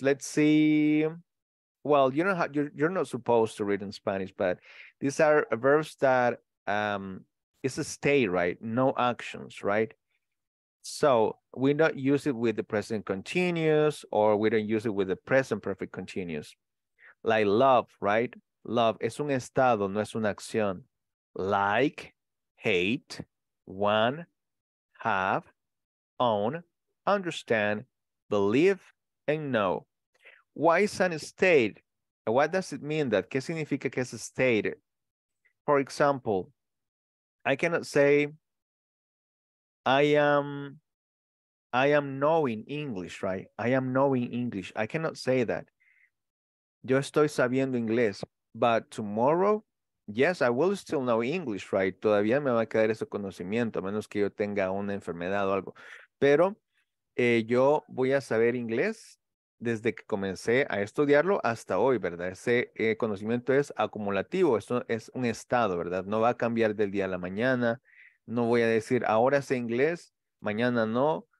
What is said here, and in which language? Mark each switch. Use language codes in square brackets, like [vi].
[en] Let's see. Well, you don't have, you're not supposed to read in Spanish, but these are verbs that it's a stay, right? No actions, right? So we don't use it with the present continuous, or we don't use it with the present perfect continuous. Like love, right? [es] Love es un estado, no es una acción. [en] Like, hate, want, have, own, understand, believe, and know. Why is an state? What does it mean that? [es] ¿Qué significa que es a state? [en] For example, I cannot say I am knowing English, right? I am knowing English. I cannot say that. [es] Yo estoy sabiendo inglés. [en] But tomorrow, yes, I will still know English, right? [es] Todavía me va a quedar ese conocimiento, a menos que yo tenga una enfermedad o algo. Pero yo voy a saber inglés desde que comencé a estudiarlo hasta hoy, ¿verdad? Ese conocimiento es acumulativo. Esto es un estado, ¿verdad? No va a cambiar del día a la mañana. No voy a decir, ahora sé inglés, mañana no.